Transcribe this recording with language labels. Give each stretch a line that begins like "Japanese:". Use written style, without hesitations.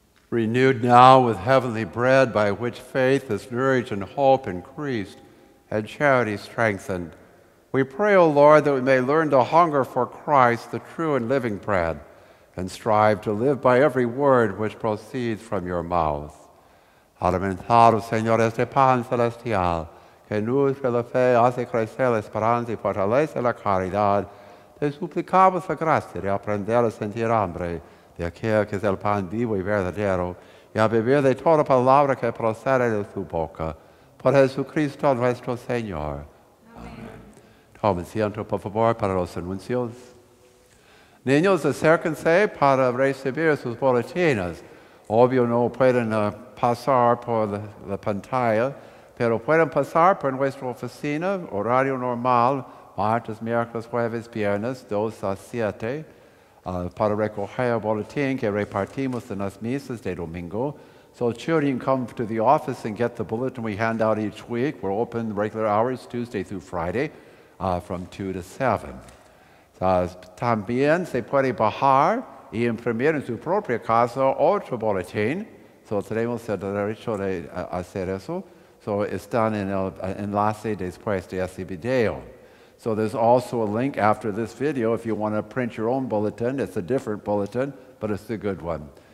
English: Renewed now with heavenly bread, by which faith is nourished and hope increased and charity strengthened, we pray, O Lord, that we may learn to hunger for Christ, the true and living bread, and strive to live by every word which proceeds from your mouth.
Spanish: Alimentado, Señor, este pan celestial, que nutre la fe, hace crecer la esperanza y fortalece la caridad, te suplicamos la gracia de aprender a sentir hambre de aquel que es el pan vivo y verdadero, y a vivir de toda palabra que procede de su boca, por Jesucristo nuestro Señor. Amén. Tomen asiento, por favor, para los anuncios. Niños, acérquense para recibir sus boletines. Obvio, no pueden pasar por la pantalla, pero pueden pasar por nuestra oficina, horario normal, martes, miércoles, jueves, viernes, 2-7, para recoger el boletín que repartimos en las misas de domingo.
English: So children, come to the office and get the bulletin we hand out each week. We're open regular hours, Tuesday through Friday, from 2-7.
Spanish: También se puede bajar y imprimir en su propia casa otro boletín. So tenemos el derecho de hacer eso. So están en el enlace después de ese video.
English: So there's also a link after this video if you want to print your own bulletin. It's a different bulletin, but it's a good one.